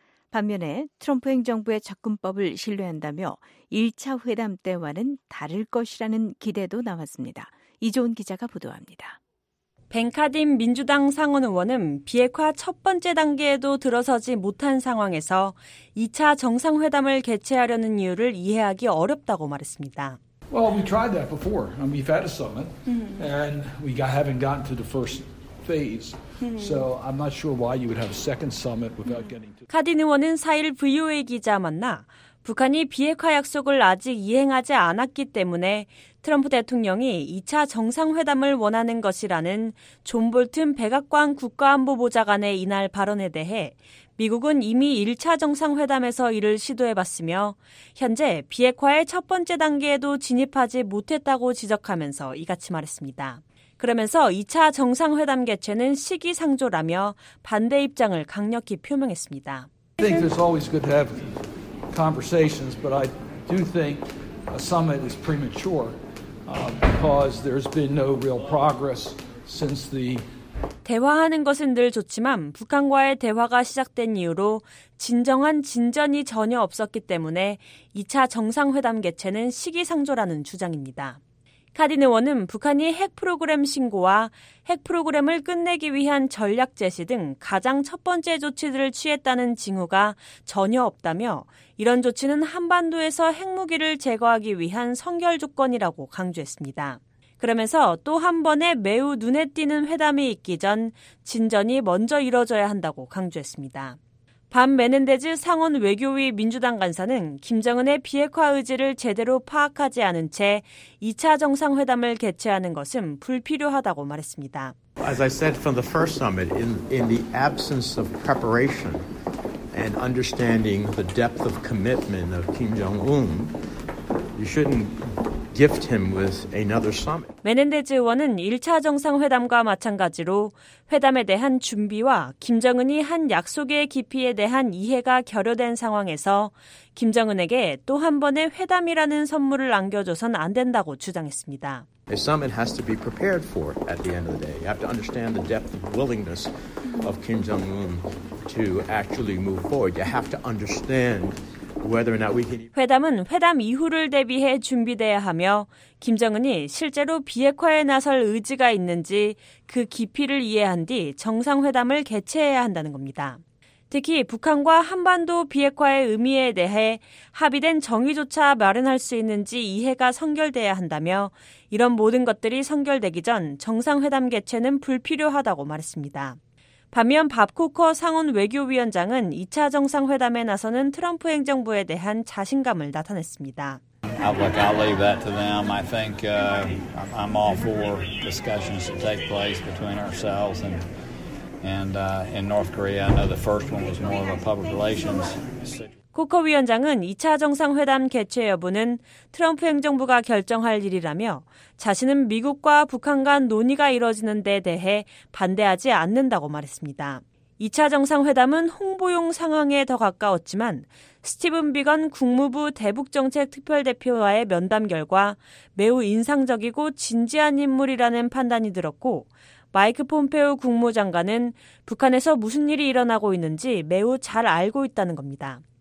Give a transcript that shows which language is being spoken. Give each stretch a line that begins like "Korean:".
Korean: 반면에 트럼프 행정부의 접근법을 신뢰한다며 1차 회담 때와는 다를 것이라는 기대도 나왔습니다. 이조은 기자가 보도합니다. 벤카딘 민주당 상원 의원은 비핵화 첫 번째 단계에도 들어서지 못한 상황에서 2차 정상회담을 개최하려는 이유를 이해하기 어렵다고 말했습니다.
English: Well, we tried that before. We've had a summit, and we haven't gotten to the first phase. So I'm not sure why you would have a second summit without getting to.
Korean: 카딘 의원은 4일 VOA 기자 만나 북한이 비핵화 약속을 아직 이행하지 않았기 때문에 트럼프 대통령이 2차 정상회담을 원하는 것이라는 존 볼튼 백악관 국가안보보좌관의 이날 발언에 대해 미국은 이미 1차 정상회담에서 이를 시도해봤으며 현재 비핵화의 첫 번째 단계에도 진입하지 못했다고 지적하면서 이같이 말했습니다. 그러면서 2차 정상회담 개최는 시기상조라며 반대 입장을 강력히 표명했습니다.
English: I think it's always good to have conversations, but I do think a summit is premature because there's been no real progress since the
Korean: 대화하는 것은 늘 좋지만 북한과의 대화가 시작된 이후로 진정한 진전이 전혀 없었기 때문에 2차 정상회담 개최는 시기상조라는 주장입니다. 카딘 의원은 북한이 핵 프로그램 신고와 핵 프로그램을 끝내기 위한 전략 제시 등 가장 첫 번째 조치들을 취했다는 징후가 전혀 없다며 이런 조치는 한반도에서 핵무기를 제거하기 위한 선결 조건이라고 강조했습니다. 그러면서 또 한 번의 매우 눈에 띄는 회담이 있기 전 진전이 먼저 이뤄져야 한다고 강조했습니다. 밤 메넨데즈 상원 외교위 민주당 간사는 김정은의 비핵화 의지를 제대로 파악하지 않은 채 2차 정상회담을 개최하는 것은 불필요하다고 말했습니다.
English: As I said from the first summit, in the absence of preparation and understanding the depth of commitment of Kim Jong-un, you shouldn't gift him with another summit.
Korean: 메넨데즈 의원은 1차 정상회담과 마찬가지로 회담에 대한 준비와 김정은이 한 약속의 깊이에 대한 이해가 결여된 상황에서 김정은에게 또 한 번의 회담이라는 선물을 안겨줘선 안 된다고 주장했습니다.
English: A summit has to be prepared for at the end of the day. You have to understand the depth of willingness of Kim Jong-un to actually move forward. You have to understand
Korean: 회담은 회담 이후를 대비해 준비돼야 하며 김정은이 실제로 비핵화에 나설 의지가 있는지 그 깊이를 이해한 뒤 정상회담을 개최해야 한다는 겁니다. 특히 북한과 한반도 비핵화의 의미에 대해 합의된 정의조차 마련할 수 있는지 이해가 선결돼야 한다며 이런 모든 것들이 선결되기 전 정상회담 개최는 불필요하다고 말했습니다. 반면 밥 코커 상원 외교위원장은 2차 정상회담에 나서는 트럼프 행정부에 대한 자신감을 나타냈습니다.
English: I'll leave that to them. I think I'm all for discussions to take place between ourselves and in North Korea. I know the first one was more of a public relations.
Korean: 코커 위원장은 2차 정상회담 개최 여부는 트럼프 행정부가 결정할 일이라며 자신은 미국과 북한 간 논의가 이뤄지는 데 대해 반대하지 않는다고 말했습니다. 2차 정상회담은 홍보용 상황에 더 가까웠지만 스티븐 비건 국무부 대북정책특별대표와의 면담 결과 매우 인상적이고 진지한 인물이라는 판단이 들었고 마이크 폼페오 국무장관은 북한에서 무슨 일이 일어나고 있는지 매우 잘 알고 있다는 겁니다.